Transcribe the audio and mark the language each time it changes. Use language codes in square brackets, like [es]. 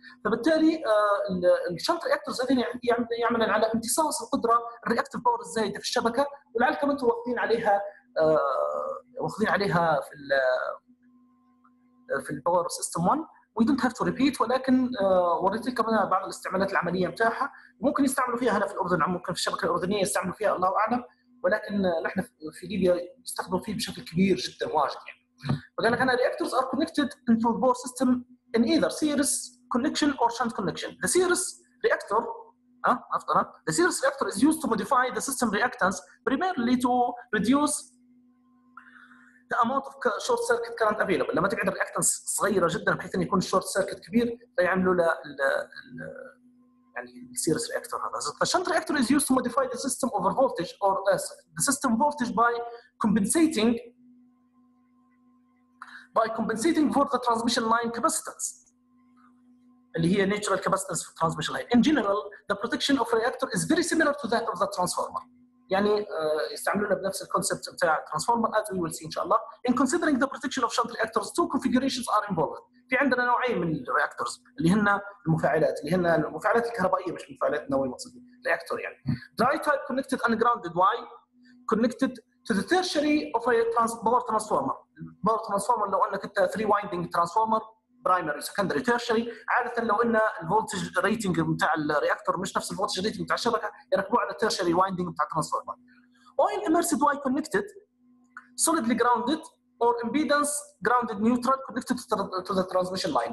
[ar] فبالتالي الشنت رياكتورز هذين يعملن على امتصاص القدره الرياكتيف باور الزايده في الشبكه ولعلكم انتم واخذين عليها واخذين عليها في الباور سيستم 1 [en] we don't have to repeat [ar] ولكن وريت لكم بعض الاستعمالات العمليه بتاعها ممكن يستعملوا فيها هنا في الاردن ممكن في الشبكه الاردنيه يستعملوا فيها الله اعلم ولكن نحن في ليبيا يستخدموا فيه بشكل كبير جدا واجد يعني. فقال لك [en] انا reactors are connected into الباور system in either series connection or shunt connection. The series reactor, the series reactor is used to modify the system reactance primarily to reduce the amount of short circuit current available. [ar] لما تقعد الرياكتنس صغيره جدا بحيث ان يكون الشورت سيركت كبير فيعملوا له يعني السيريس رياكتور هذا. [en] The shunt reactor is used to modify the system over voltage or the system voltage by compensating by compensating for the transmission line capacitance. And here, natural capacitance for transmission line. In general, the protection of reactor is very similar to that of the transformer. [ar] يعني استعملونا بنفس الكونسبت بتاع transformer, [en] as we will see, inshallah. In considering the protection of shunt reactors, two configurations are involved. [ar] في عندنا نوعين من الreactors اللي هن المفاعلات, اللي هن المفاعلات الكهربائية مش المفاعلات النووية مقصدي. [en] Reactor يعني. Dry type connected ungrounded. Why? Connected to the tertiary of a power transformer. Power transformer [ar] لو أنك أنت [en] three winding transformer. Primary, secondary, tertiary. [ar] عادة لو إن الفولتج ريتنج متاع الرياكتور مش نفس الفولتج ريتنج متاع الشبكة يركبوا على tertiary winding متاع transformer. [en] Oil immersed Y connected, solidly grounded or impedance grounded neutral connected to the transmission line.